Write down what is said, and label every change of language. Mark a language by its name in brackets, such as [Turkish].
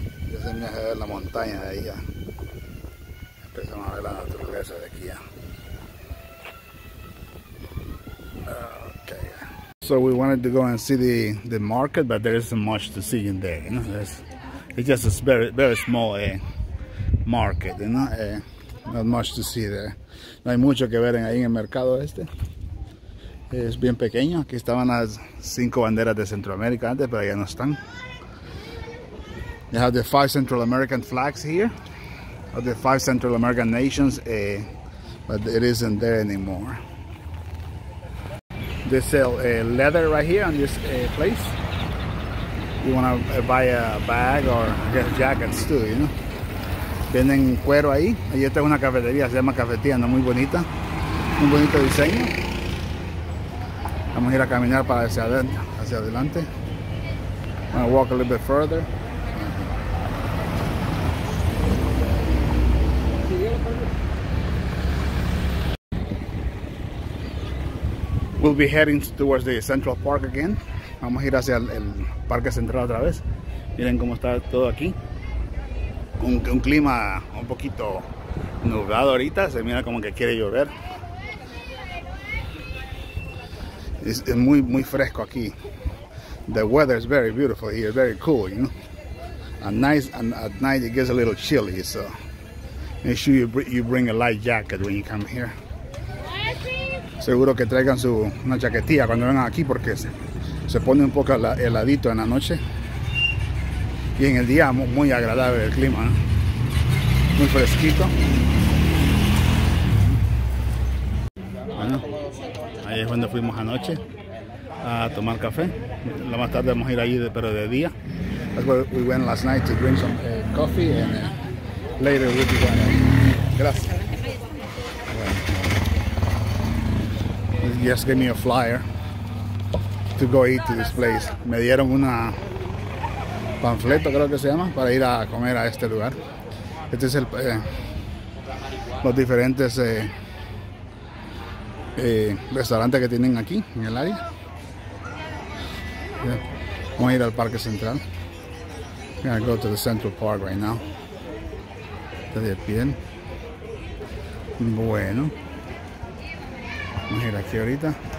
[Spanish] Yo se me hace ver la montaña de ahí ya. Empezamos a ver la naturaleza de aquí ya. [English] Okay. So we wanted to go and see the market, but there isn't much to see in there, you know. It's just a very, very small market, you know. Not much to see there. [Spanish] No hay mucho que ver ahí en el mercado este. Es bien pequeño. Aquí estaban las 5 banderas de Centroamérica antes, pero ya no están. [English] They have the 5 Central American flags here, of the 5 Central American nations, but it isn't there anymore. They sell leather right here on this place. You want to buy a bag or get jackets too, you know. [Spanish] Venden cuero ahí. Ahí está una cafetería, se llama cafetería, no muy bonita. Un bonito diseño. Vamos a ir a caminar para hacia adelante. [English] I'm gonna walk a little bit further. Thank you. We'll be heading towards the Central Park again. [Spanish] Vamos a ir hacia el Parque Central otra vez. Miren cómo está todo aquí. Un clima un poquito nublado ahorita. Se mira como que quiere llover. Es muy, muy fresco aquí. [English] The weather is very beautiful here, very cool, you know. At night it gets a little chilly, so make sure you bring a light jacket when you come here. [Spanish] Seguro que traigan una chaquetilla cuando vengan aquí porque se pone un poco heladito en la noche. Y en el día muy agradable el clima, ¿no? Muy fresquito. Bueno, ahí es cuando fuimos anoche a tomar café. Lo más tarde vamos a ir allí, pero de día. [English] That's where we went last night to drink some coffee, and later we'll be going. [Spanish] Gracias. [English] Well, just gave me a flyer to go eat to this place. [Spanish] Me dieron un panfleto, creo que se llama, para ir a comer a este lugar. Este es los diferentes restaurantes que tienen aquí en el área. Yeah. Vamos a ir al Parque Central. [English] I'm gonna go to the Central Park right now. [Spanish] Está de pie. Bueno. Vamos a ir aquí ahorita.